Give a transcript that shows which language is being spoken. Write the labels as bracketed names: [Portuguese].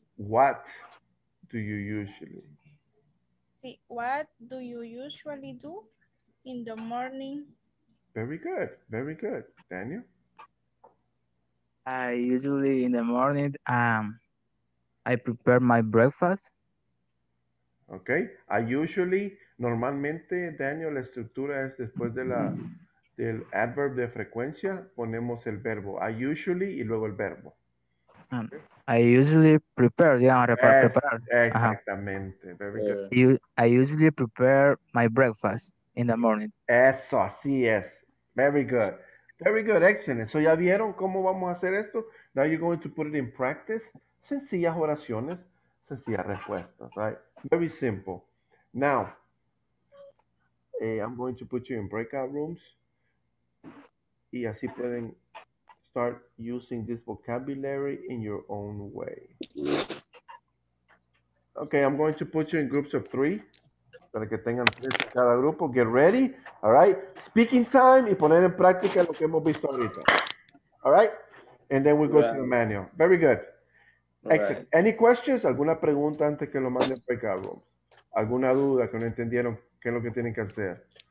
[English] What do you usually? See, what do you usually do in the morning? Very good, very good. Daniel? I usually in the morning, I prepare my breakfast. Okay, I usually, [Spanish] normalmente, Daniel, la estructura es después de la... del adverb de frecuencia, ponemos el verbo. [English] I usually [Spanish] y luego el verbo. [English] I usually prepare. Prepare. [Spanish] Exactamente. Very [English] good. I usually prepare my breakfast in the morning. [Spanish] Eso, así es. [English] Very good. Very good, excellent. [Spanish] So ya vieron cómo vamos a hacer esto. [English] Now you're going to put it in practice. [Spanish] Sencillas oraciones, sencillas respuestas, [English] right? Very simple. Now, I'm going to put you in breakout rooms. [Spanish] Y así pueden [English] start using this vocabulary in your own way. Okay, I'm going to put you in groups of three. [Spanish] Para que tengan tres en cada grupo. [English] Get ready. All right. Speaking time [Spanish] y poner en práctica lo que hemos visto ahorita. [English] All right. And then we'll go to the manual. Very good. Excellent. Right. Any questions? [Spanish] ¿Alguna pregunta antes que lo manden a breakout rooms? ¿Alguna duda que no entendieron qué es lo que tienen que hacer?